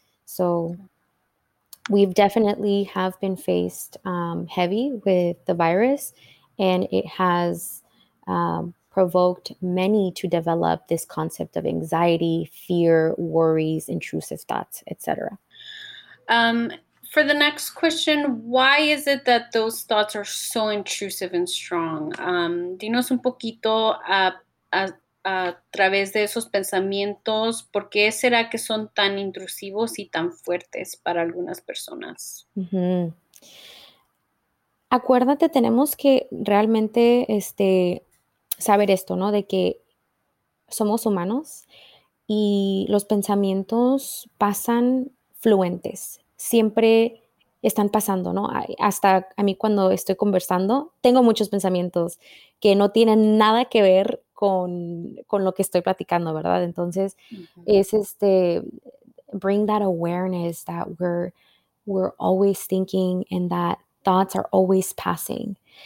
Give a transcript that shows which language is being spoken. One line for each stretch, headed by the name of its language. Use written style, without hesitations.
English: So we've definitely have been faced heavy with the virus, and it has provoked many to develop this concept of anxiety, fear, worries, intrusive thoughts, etc. For the next question, why is it that those thoughts are so intrusive and strong?
Spanish: Dinos un poquito a través de esos pensamientos, ¿por qué será que son tan intrusivos y tan fuertes para algunas personas? Mm-hmm. Acuérdate, tenemos que realmente saber esto, ¿no? De que somos humanos y los pensamientos pasan fluentes. Siempre están pasando, ¿no? Hasta a mí cuando estoy conversando, tengo muchos pensamientos que no tienen nada que ver con lo que estoy platicando, ¿verdad? Entonces, uh-huh.
English: es bring that awareness that we're always thinking and that thoughts are always passing.